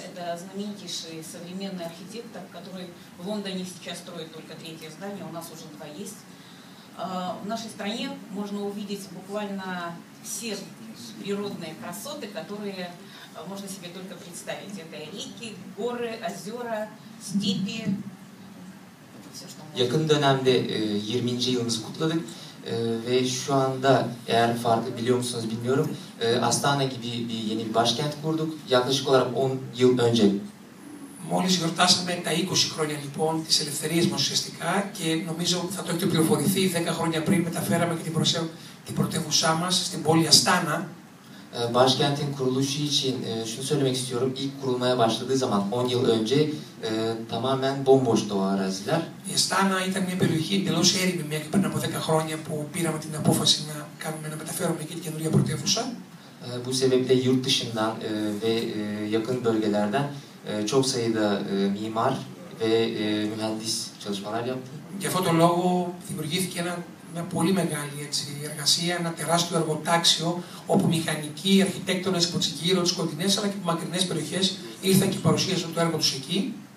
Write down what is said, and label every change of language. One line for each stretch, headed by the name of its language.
Russian: Это знаменитейший современный архитектор, который в Лондоне сейчас строит только третье здание, у нас уже два есть. В нашей стране можно увидеть буквально все природные красоты, которые можно себе только представить. Это реки, горы, озера, степи.
Turkish: Yakın dönemde 20. yılımızı kutladık ve şu anda eğer farkı biliyor musunuz bilmiyorum. Astana gibi bir yeni bir başkent kurduk. Yaklaşık olarak 10 yıl önce.
Greek: Μόλις γιορτάσαμε τα 20 χρόνια λοιπόν της ελευθερίας μας ουσιαστικά και νομίζω θα το έχετε πληροφορηθεί 10 χρόνια πριν μεταφέραμε και την πρωτεύουσά μας στην πόλη Αστάνα.
Turkish: Başkentin kuruluşu için şunu söylemek istiyorum. İlk kurulmaya başladığı zaman 10 yıl önce tamamen bomboştu o araziler.
Greek: Astana ήταν μια περιοχή εντελώς έρημη μέχρι πριν από 10 χρόνια που πήραμε την απόφαση να κάνουμε να μεταφέρουμε εκεί την καινούργια πρωτεύουσα.
Turkish: Bu sebeple yurt dışından ve yakın bölgelerden çok sayıda mimar ve mühendis çalışmalar yaptı.
Greek: Γι' αυτό τον λόγο δημιουργήθηκε μια πολύ μεγάλη έτσι, εργασία, ένα τεράστιο εργοτάξιο όπου μηχανικοί, αρχιτέκτονες από τις γύρω, τις κοντινές αλλά και από μακρινές περιοχές ήρθαν και παρουσίασαν το έργο τους εκεί.